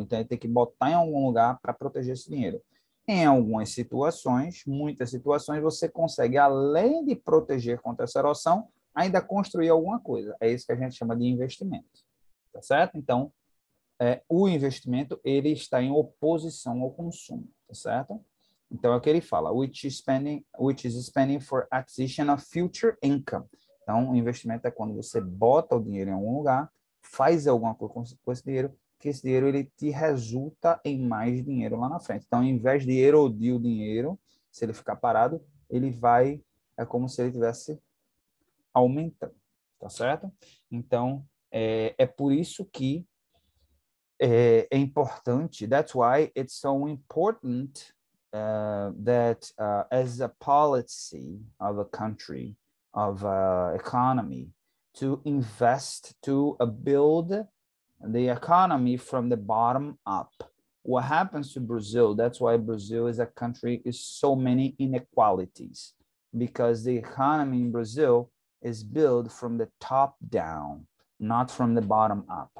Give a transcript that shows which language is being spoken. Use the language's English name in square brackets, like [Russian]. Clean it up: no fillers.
[Portuguese] Então, ele tem que botar em algum lugar para proteger esse dinheiro. Em algumas situações, muitas situações, você consegue, além de proteger contra essa erosão, ainda construir alguma coisa. É isso que a gente chama de investimento. Tá certo? Então, o investimento, ele está em oposição ao consumo. Tá certo? Então, é o que ele fala. [English] Which is spending for acquisition of future income. [Portuguese] Então, o investimento é quando você bota o dinheiro em algum lugar, faz alguma coisa com esse dinheiro, que esse dinheiro ele te resulta em mais dinheiro lá na frente. Então, ao invés de erodir o dinheiro, se ele ficar parado, ele vai. É como se ele estivesse aumentando. Tá certo? Então, é por isso que é importante. [English] That's why it's so important as a policy of a country. Of economy to invest to build the economy from the bottom up. What happens to Brazil? That's why Brazil is a country with so many inequalities, because the economy in Brazil is built from the top down, not from the bottom up.